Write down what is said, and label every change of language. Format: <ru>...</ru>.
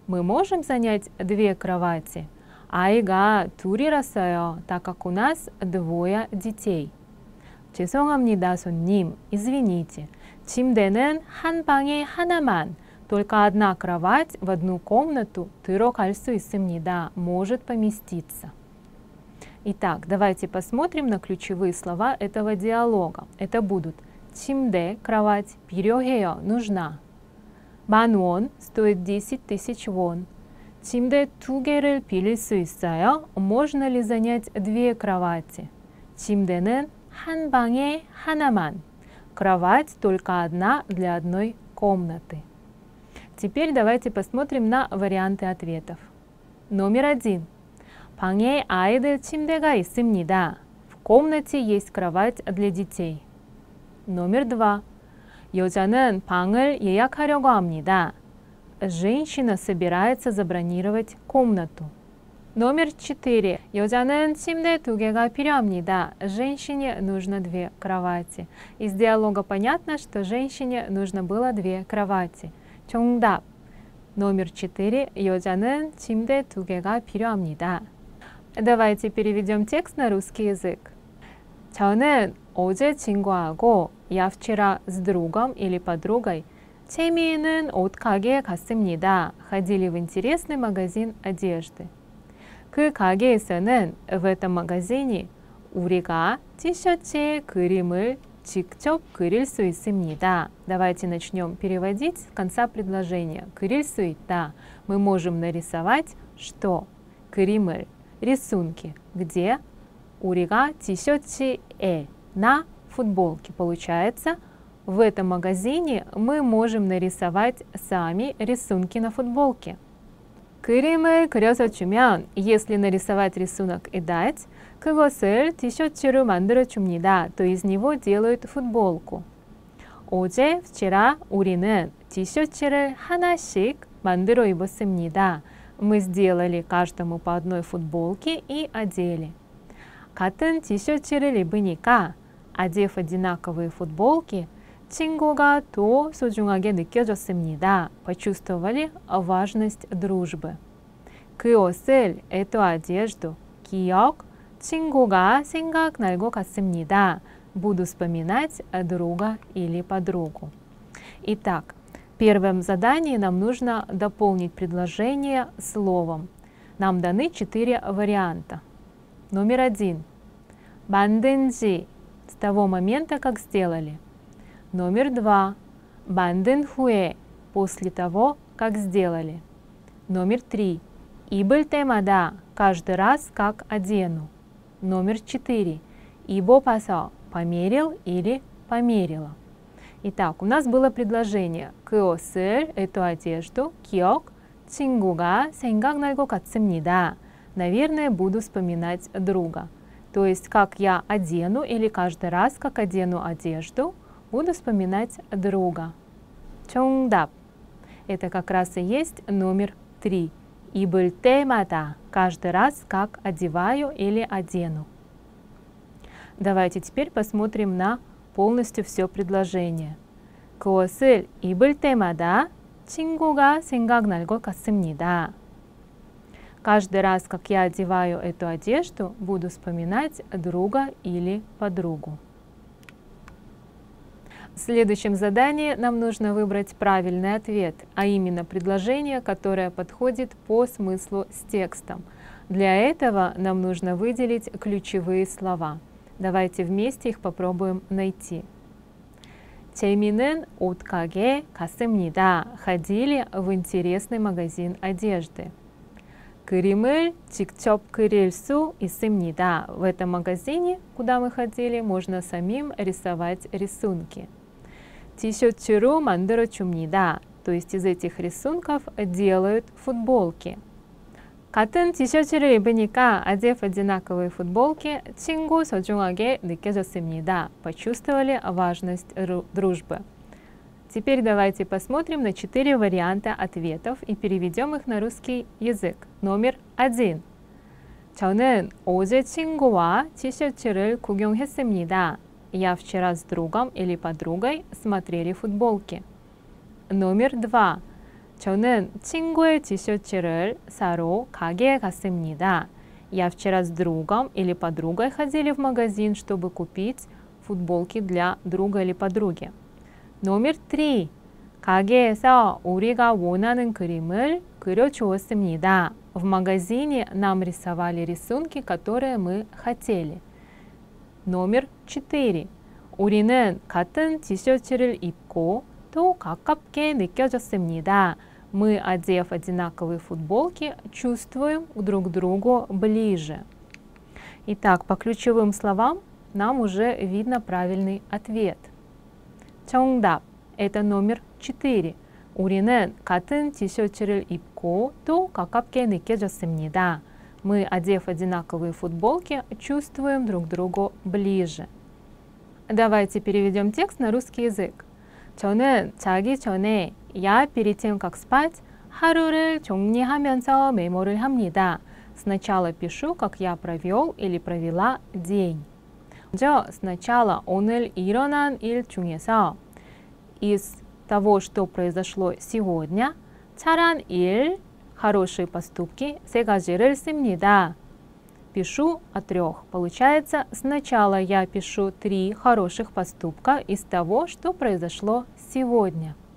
<ru>Мы можем занять две кровати.</ru> <ko>아이가 둘이라서요,</ko> <ru>так как у нас двое детей.</ru> <ko>죄송합니다, 손님.</ko> <ru>Извините.</ru> <ko>침대는 한 방에 하나만,</ko> <ru>только одна кровать в одну комнату</ru> <ko>들어갈 수 있습니다.</ko> <ru>Может поместиться. Итак, давайте посмотрим на ключевые слова этого диалога. Это будут 침대, кровать, 필요해요, нужна.</ru> <ko>만 원</ko> <ru>стоит 10 тысяч вон.</ru> <ko>침대 두 개를 빌릴 수 있어요?</ko> <ru>Можно ли занять две кровати?</ru> <ko>침대는 한 방에 하나만.</ko> <ru>Кровать только одна для одной комнаты. Теперь давайте посмотрим на варианты ответов. Номер один.</ru> <ko>방에 아이들 침대가 있습니다.</ko> <ru>В комнате есть кровать для детей. Номер два.</ru> <ko>여자는 방을 예약하려고 합니다.</ko> <ru>Женщина собирается забронировать комнату. Номер 4.</ru> <ko>여자는 침대 두 개가 필요합니다.</ko> <ru>Женщине нужно две кровати. Из диалога понятно, что женщине нужно было две кровати. 정답. Номер 4.</ru> <ko>여자는 침대 두 개가 필요합니다.</ko> <ru>Давайте переведем текст на русский язык.</ru> <ko>저는 어제 친구하고</ko> <ru>Я вчера с другом или подругой</ru> <ko>재미있는 옷 가게에 갔습니다.</ko> <ru>Ходили в интересный магазин одежды.</ru> <ko>그 가게에서는</ko> <ru>в этом магазине</ru> <ko>우리가 티셔츠의 그림을 직접 그릴 수 있습니다.</ko> <ru>Давайте начнем переводить с конца предложения.</ru> <ko>그릴 수 있다.</ko> <ru>Мы можем нарисовать что?</ru> <ko>그림을.</ko> <ru>Рисунки. Где?</ru> <ko>우리가 티셔츠에.</ko> <ru>На? Футболки. Получается, в этом магазине мы можем нарисовать сами рисунки на футболке.</ru> <ko>그림을 그려주면,</ko> <ru>если нарисовать рисунок и дать,</ru> <ko>그것을 티셔츠로 만들어줍니다.</ko> <ru>То из него делают футболку.</ru> <ko>어제,</ko> <ru>вчера,</ru> <ko>우리는 티셔츠를 하나씩 만들어 입었습니다.</ko> <ru>Мы сделали каждому по одной футболке и одели.</ru> <ko>같은 티셔츠를 입으니까,</ko> <ru>Одев одинаковые футболки,</ru> <ko>친구가 더 소중하게 느껴졌습니다.</ko> <ru>Почувствовали важность дружбы.</ru> <ko>그 옷을,</ko> <ru>эту одежду,</ru> <ko>기억, 친구가 생각날 것 같습니다.</ko> <ru>Буду вспоминать друга или подругу. Итак, в первом задании нам нужно дополнить предложение словом. Нам даны 4 варианта. Номер один.</ru> <ko>만든 지.</ko> <ru>С того момента, как сделали. Номер два.</ru> <ko>만든 후에.</ko> <ru>После того, как сделали. Номер три.</ru> <ko>입을 때마다.</ko> <ru>Каждый раз, как одену. Номер четыре.</ru> <ko>입어봐서.</ko> <ru>Померил или померила. Итак, у нас было предложение.</ru> <ko>그 옷을, эту одежду, 기억, 친구가 생각날 것 같습니다.</ko> <ru>Наверное, буду вспоминать друга. То есть, как я одену или каждый раз, как одену одежду, буду вспоминать друга. 정답. Это как раз и есть номер три. и был темада, каждый раз, как одеваю или одену. Давайте теперь посмотрим на полностью все предложение.</ru> <ko>그것을 입을 때마다 친구가 생각날 것 같습니다.</ko> <ru>Каждый раз, как я одеваю эту одежду, буду вспоминать друга или подругу. В следующем задании нам нужно выбрать правильный ответ, а именно предложение, которое подходит по смыслу с текстом. Для этого нам нужно выделить ключевые слова. Давайте вместе их попробуем найти.</ru> <ko>재미는 옷가게 갔습니다.</ko> <ru>Ходили в интересный магазин одежды.</ru> <ko>그림을 직접 그릴 수 있습니다.</ko> <ru>В этом магазине, куда мы ходили, можно самим рисовать рисунки.</ru> <ko>티셔츠로 만들어 줍니다.</ko> <ru>То есть из этих рисунков делают футболки.</ru> <ko>같은 티셔츠를 입으니까,</ko> <ru>одев одинаковые футболки,</ru> <ko>친구 소중하게 느껴졌습니다.</ko> <ru>Почувствовали важность дружбы. Теперь давайте посмотрим на 4 варианта ответов и переведем их на русский язык. Номер 1.</ru> <ko>저는 어제 친구와 티셔츠를 구경했습니다.</ko> <ru>Я вчера с другом или подругой смотрели футболки. Номер 2.</ru> <ko>저는 친구의 티셔츠를 사러 가게에 갔습니다.</ko> <ru>Я вчера с другом или подругой ходили в магазин, чтобы купить футболки для друга или подруги. Номер 3.</ru> <ko>가게에서 우리가 원하는 그림을 그려주었습니다.</ko> <ru>В магазине нам рисовали рисунки, которые мы хотели. Номер 4.</ru> <ko>우리는 같은 티셔츠를 입고 또 가깝게 느껴졌습니다.</ko> <ru>Мы, одев одинаковые футболки, чувствуем друг другу ближе. Итак, по ключевым словам нам уже видно правильный ответ. 정답. Это номер 4.</ru> <ko>우리는 같은 티셔츠를 입고 또 가깝게 느껴졌습니다.</ko> <ru>Мы, одев одинаковые футболки, чувствуем друг друга ближе. Давайте переведем текст на русский язык.</ru> <ko>저는 자기 전에,</ko> <ru>я перед тем, как спать,</ru> <ko>하루를 정리하면서 메모를 합니다.</ko> <ru>Сначала пишу, как я провел или провела день.</ru> <ko>먼저</ko> <ru>сначала</ru> <ko>오늘 일어난 일 중에서,</ko> <ru>из того, что произошло сегодня,</ru> <ko>잘한 일,</ko> <ru>хорошие поступки,</ru> <ko>세 가지를 씁니다.</ko> <ru>Пишу о трех. Получается, сначала я пишу 3 хороших поступка из того, что произошло сегодня.</ru>